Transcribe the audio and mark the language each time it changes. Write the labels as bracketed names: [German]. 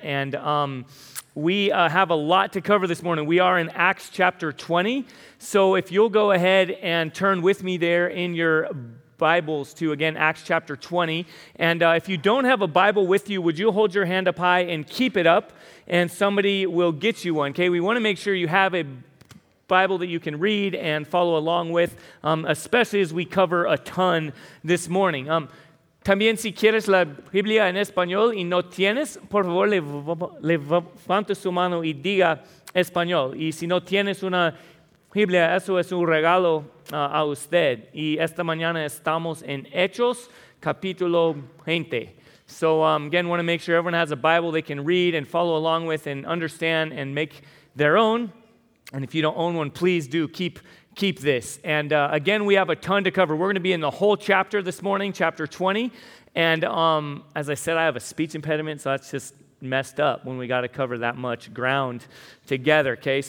[English] And we have a lot to cover this morning. We are in Acts chapter 20, so if you'll go ahead and turn with me there in your Bibles to, again, Acts chapter 20, and if you don't have a Bible with you, would you hold your hand up high and keep it up, and somebody will get you one, okay? We want to make sure you have a Bible that you can read and follow along with, especially as we cover a ton this morning. [Spanish] También si quieres la Biblia en español y no tienes, por favor, levante su mano y diga español. Y si no tienes una Biblia, eso es un regalo a usted. Y esta mañana estamos en Hechos, capítulo 20. [English] So again, want to make sure everyone has a Bible they can read and follow along with and understand and make their own. And if you don't own one, please do keep this. And again, we have a ton to cover. We're going to be in the whole chapter this morning, chapter 20. And as I said, I have a speech impediment, so that's just messed up when we got to cover that much ground together, okay?